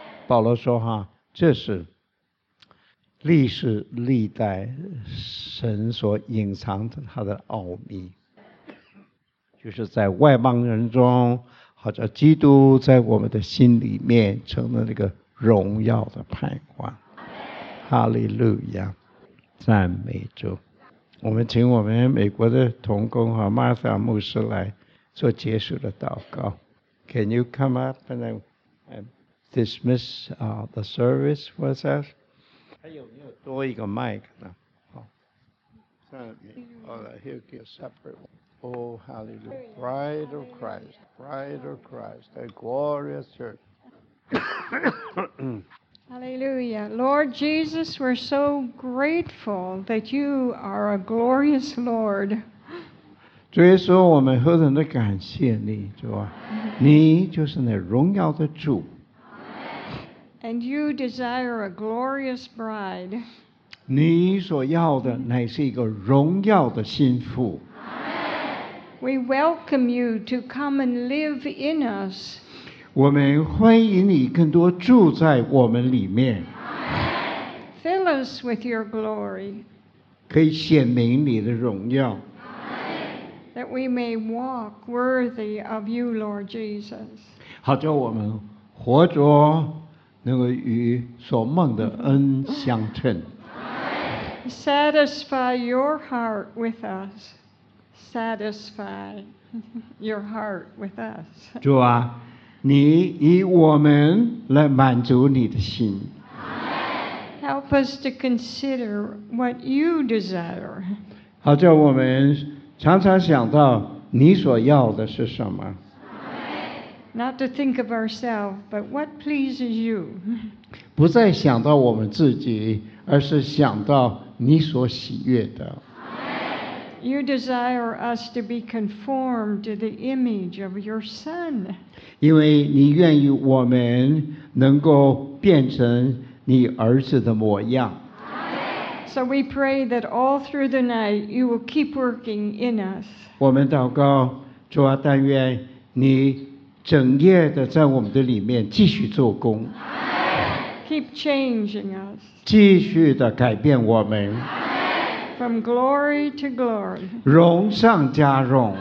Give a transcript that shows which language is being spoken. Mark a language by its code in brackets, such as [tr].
[zh] 保罗说哈，这是历史历代神所隐藏的他的奥秘，就是在外邦人中，好像基督在我们的心里面成了那个荣耀的盼望。哈利路亚，赞美主。我们请我们美国的同工和 Martha 牧师来做结束的祷告。 [en] Can you come up and then dismiss the service for us? [zh] 还有没有多一个麦克呢？好，赞美。 [en] All right, he'll get separate. Oh, hallelujah! Bride of Christ, Bride of Christ, a glorious church. Hallelujah. Lord Jesus, we're so grateful that you are a glorious Lord. [zh] 主耶稣，我们何等的感谢你，主啊，你就是那荣耀的主。 [en] And you desire a glorious bride. [zh] 你所要的乃是一个荣耀的心腹。 [en] We welcome you to come and live in us. [zh] 我们欢迎你更多住在我们里面。 [en] Fill us with your glory. [zh] 可以显明你的荣耀。 [en] That we may walk worthy of you, Lord Jesus. [zh] 好叫我们活着能够与所蒙的恩相称。 [en] Satisfy your heart with us. Satisfy your heart with us. [zh] 主啊，你以我们来满足你的心。 [en] Help us to consider what you desire. [zh] 好叫我们常常想到你所要的是什么。 [en] Not to think of ourselves, but what pleases you. [zh] 不再想到我们自己，而是想到你所喜悦的。 [en] You desire us to be conformed to the image of your Son. [zh] 因为你愿意我们能够变成你儿子的模样。 [en] So we pray that all through the night you will keep working in us. [zh] 我们祷告，主啊，但愿你整夜的在我们的里面继续做工。 [en] Keep changing us. [zh] 继续的改变我们。 [en] From glory to glory. [zh] 荣上加荣。